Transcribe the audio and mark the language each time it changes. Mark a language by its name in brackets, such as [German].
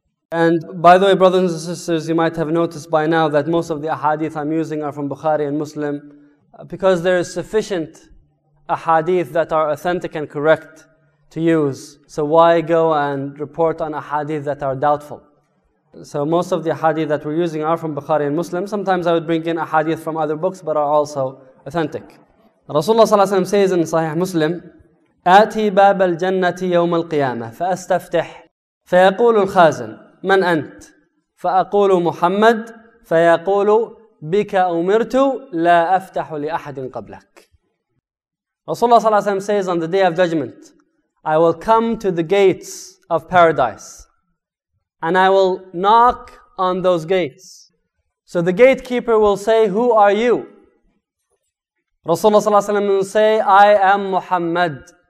[English] And by the way, brothers and sisters, you might have noticed by now that most of the ahadith I'm using are from Bukhari and Muslim, because there is sufficient ahadith that are authentic and correct to use. So why go and report on ahadith that are doubtful? So most of the ahadith that we're using are from Bukhari and Muslim. Sometimes I would bring in ahadith from other books, but are also authentic. Rasulullah sallallahu alayhi wa sallam says in Sahih Muslim, [Arabic] آتي باب الجنة يوم القيامة فأستفتح فيقول الخازن من أنت فأقول محمد فيقول بك أمرت لا أفتح لأحد قبلك. [English] Rasulullah sallallahu alayhi wa sallam says, on the Day of Judgment, I will come to the gates of Paradise and I will knock on those gates. So the gatekeeper will say, who are you? Rasulullah sallallahu alayhi wa sallam will say, I am Muhammad.